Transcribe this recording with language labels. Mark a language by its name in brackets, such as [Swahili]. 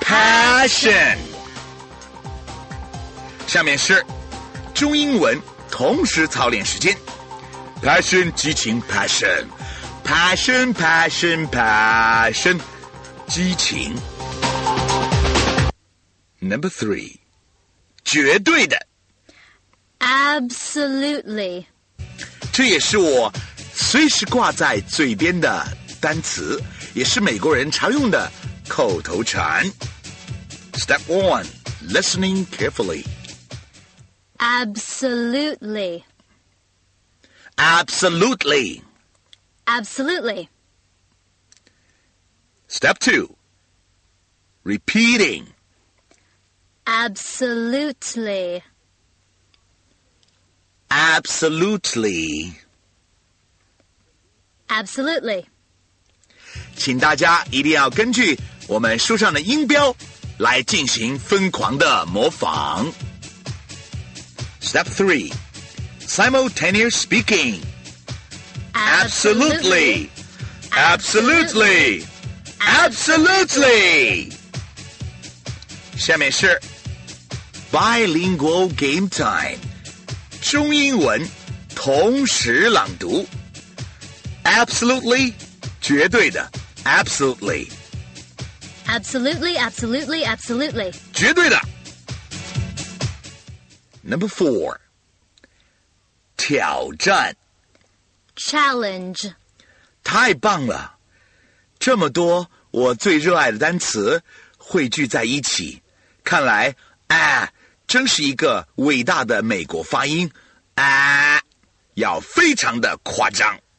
[English] Passion. [Chinese] 下面是中英文同时操练时间 [English] Passion, [Chinese] 激情 [English] Passion. Passion, passion, passion. [Chinese] 激情。 [English] Number three， [Chinese] 绝对的。 [English] Absolutely。 [Chinese] 这也是我随时挂在嘴边的单词，也是美国人常用的口头禅。 [English] Step one， listening carefully。 Absolutely。 Absolutely。 Absolutely。 Step two, repeating. Absolutely. Absolutely. Absolutely. [Chinese] 请大家一定要根据我们书上的音标来进行疯狂的模仿。 [English] Step three, simultaneous speaking. Absolutely. Absolutely. Absolutely. Absolutely. [Chinese] 下面是 [English] bilingual game time， [Chinese] 中英文同时朗读。 [English] Absolutely， [Chinese] 绝对的。 [English] Absolutely. Absolutely. Absolutely. Absolutely. [Chinese] 绝对的。 [English] Number four， [Chinese] 挑战。 [English] Challenge. [Chinese] 太棒了，这么多我最热爱的单词汇聚在一起，看来啊，真是一个伟大的美国发音啊，要非常的夸张。